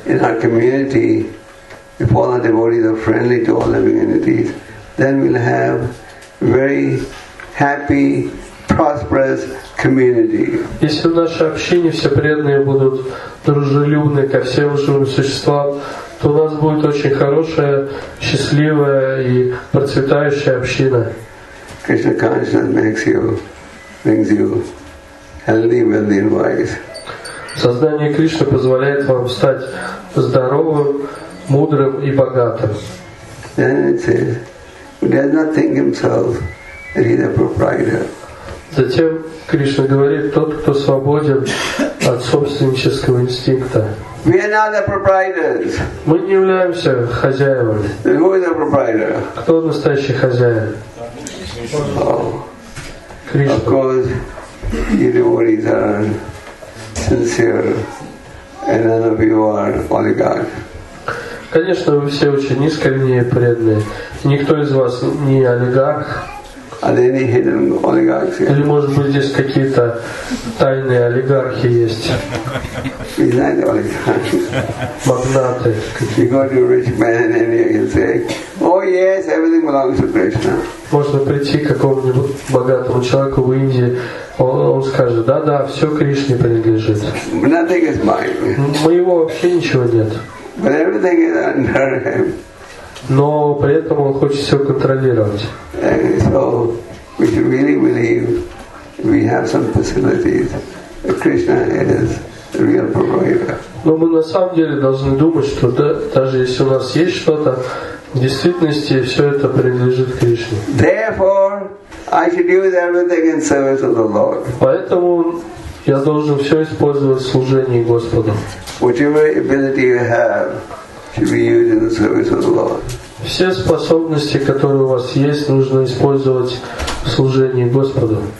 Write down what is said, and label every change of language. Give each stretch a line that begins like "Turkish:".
English: In our community, if all our devotees are friendly to all living entities, then we'll have very happy, prosperous community.
Russian: Если в нашей общине все преданные будут дружелюбны ко всем живым существам, то у нас будет очень хорошая, счастливая и процветающая община.
English: Krishna consciousness makes you, brings you healthy, wealthy and wise.
Russian: Сознание Кришны позволяет вам стать здоровым, мудрым и богатым.
English: Then it says, who does not think himself that he is a proprietor.
Russian: Затем Кришна говорит, тот, кто свободен от собственнического инстинкта.
English: We are not the proprietors.
Russian: Мы не являемся хозяевами.
English: Then who is the proprietor?
Russian: Кто настоящий хозяин? Кришна.
English: Of course, the devotees are sincere, and none of you are oligarch.
Russian: Конечно, вы все очень искренние и преданные. Никто из вас не олигарх.
English: Are there any hidden oligarchs here?
Russian: Или может быть здесь какие-то тайные олигархи есть?
English: You know the oligarchs.
Russian: Магнаты.
English: You go to a rich man in India, he'll say, "Oh yes, everything belongs to Krishna."
Russian: Можно прийти к какому-нибудь богатому человеку в Индии, он скажет, да, все Кришне принадлежит.
English: Nothing is mine.
Russian: Моего вообще ничего нет.
English: But everything is under him.
Russian: Но при этом он хочет все контролировать.
English: So we should really believe we have some facilities. Krishna is the real provider.
Russian: Но мы на самом деле должны думать, что даже если у нас есть что-то, в действительности все это принадлежит Кришне.
English: Therefore, I should use everything in service of the Lord.
Russian: Поэтому я должен все использовать в служении Господу.
English: Whatever ability you have. Should be used in the service of the Lord.
Russian: Все способности, которые у вас есть, нужно использовать в служении Господу.